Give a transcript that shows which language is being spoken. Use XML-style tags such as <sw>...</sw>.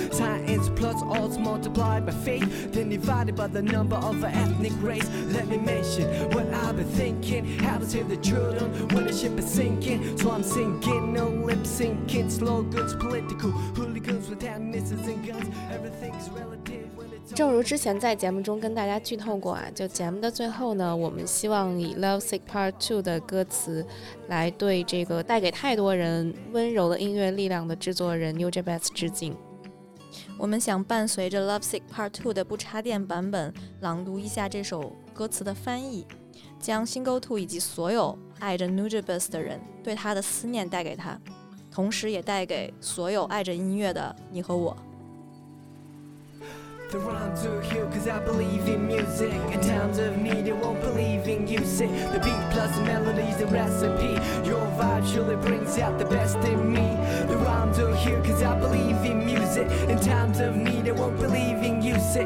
<en>Science plus odds multiplied by faith, then divided by the number of our ethnic race. Let me mention what I've been thinking. How to save the children when the ship is sinking. So I'm sinking, no lip syncing. Slogans political, hooligans with amnesties and guns. Everything's relative.</en> <zh>正如之前在节目中跟大家剧透过啊，就节目的最后呢，我们希望以 Love Sick Part 2 的歌词来对这个带给太多人温柔的音乐力量的制作人 New Jebez 致敬。我们想伴随着 Love Sick Part 2 的不插电版本朗读一下这首歌词的翻译，将 Single 2 以及所有爱着 New Jebez 的人对他的思念带给他，同时也带给所有爱着音乐的你和我。</zh> <en>The rhyme to heal, cause I believe in music. In times of need, it won't believe in you. Sick. The beat plus the melody's the recipe. Your vibe surely brings out the best in me. The rhyme to heal, cause I believe in music. In times of need, it won't believe in you. Sick.</en>